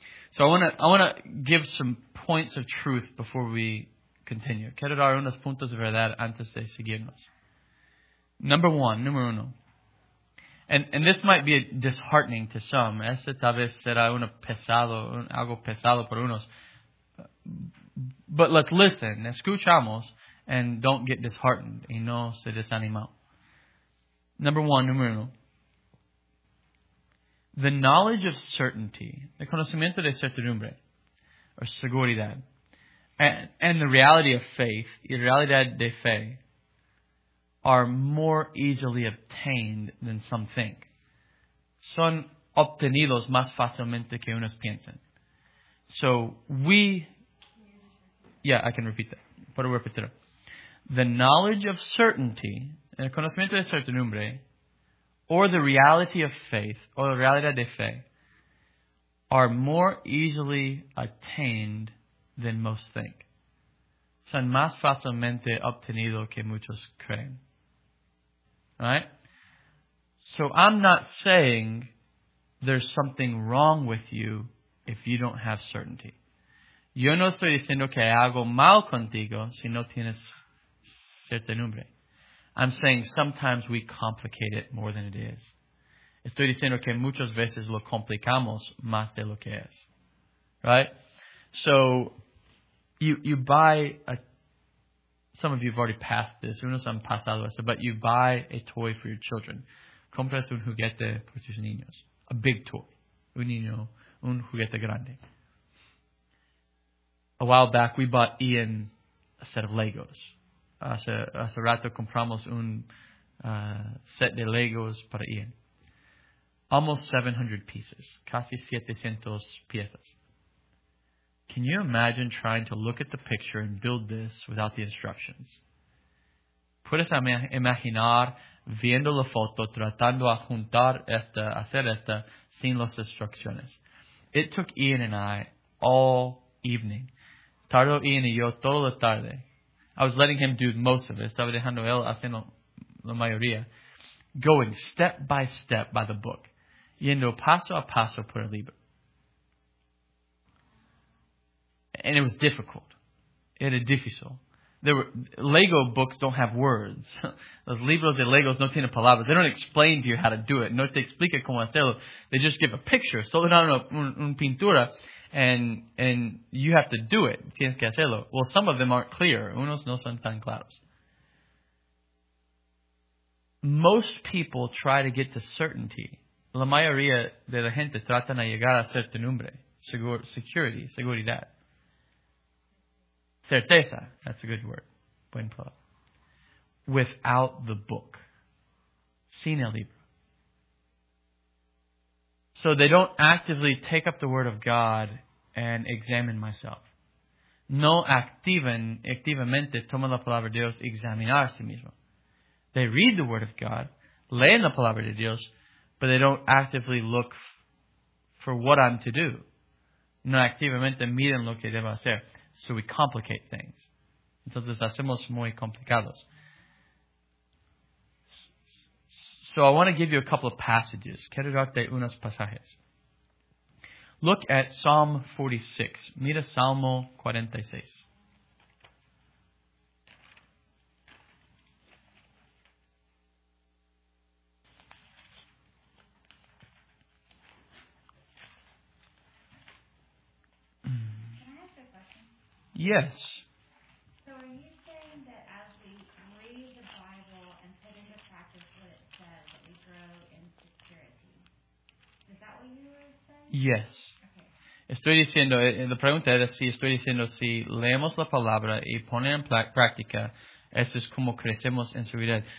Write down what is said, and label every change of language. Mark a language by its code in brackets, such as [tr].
[en] So I want to give some points of truth before we continue. [es] Quiero dar unos puntos de verdad antes de seguirnos. Número uno. [en] And this might be disheartening to some. [es] Este tal vez será uno pesado, algo pesado por unos. [en] But let's listen. Escuchamos and don't get disheartened. [es] Y no se desanimó. Número uno. [en] The knowledge of certainty, [es] el conocimiento de certidumbre, [en] or seguridad, and the reality of faith, [es] y realidad de fe, [en] are more easily obtained than some think. [es] Son obtenidos más fácilmente que unos piensan. [en] So we, I can repeat that. [es] Puedo repetirlo. [en] The knowledge of certainty, [es] el conocimiento de certidumbre, [en] or the reality of faith, or the [es] realidad de fe, [en] are more easily attained than most think. [es] Son más fácilmente obtenido que muchos creen. [en] Alright? So I'm not saying there's something wrong with you if you don't have certainty. [es] Yo no estoy diciendo que hago mal contigo si no tienes certidumbre. [en] I'm saying sometimes we complicate it more than it is. [es] Estoy diciendo que muchas veces lo complicamos más de lo que es. [en] Right? So, you buy a... Some of you have already passed this. [es] Unos han pasado esto. [en] But you buy a toy for your children. [es] Compras un juguete por tus niños. [en] A big toy. [es] Un niño. Un juguete grande. [en] A while back, we bought Ian a set of Legos. [es] Hace rato compramos un set de Legos para Ian. [en] Almost 700 pieces. [es] Casi 700 piezas. [en] Can you imagine trying to look at the picture and build this without the instructions? [es] Puedes imaginar viendo la foto, tratando a juntar esta, hacer esta, sin las instrucciones. [en] It took Ian and I all evening. [es] Tardó Ian y yo toda la tarde. [en] I was letting him do most of it. [es] Estaba dejando él haciendo la mayoría. [en] Going step by step by the book. [es] Yendo paso a paso por el libro. [en] And it was difficult. [es] Era difícil. [en] There were Lego books don't have words. [es] Los libros de Legos no tienen palabras. [en] They don't explain to you how to do it. [es] No te explica cómo hacerlo. [en] They just give a picture. [es] Solo dan una pintura. [en] And you have to do it. [es] Tienes que hacerlo. [en] Well, some of them aren't clear. [es] Unos no son tan claros. [en] Most people try to get to certainty. [es] La mayoría de la gente tratan de llegar a certidumbre. [en] Security, seguridad. Certeza, that's a good word. [es] Buen pro. [en] Without the book. [es] Sin el libro. [en] So they don't actively take up the word of God and examine myself. [es] No activamente toma la palabra de Dios examinar a sí mismo. [en] They read the word of God, [es] leen la palabra de Dios, [en] but they don't actively look for what I'm to do. [es] No activamente miren lo que debo hacer. [en] So we complicate things. [es] Entonces hacemos muy complicados. [en] So I want to give you a couple of passages. [es] Quiero darte unos pasajes. [en] Look at Psalm 46. [es] Mira Salmo 46. [en] Yes. So are you saying that as we read the Bible and put into practice what it says, that we grow in security? Is that what you were saying? Yes. [es] Estoy diciendo, la pregunta era si estoy diciendo si leemos la palabra y ponemos en práctica, eso es como crecemos en su vida.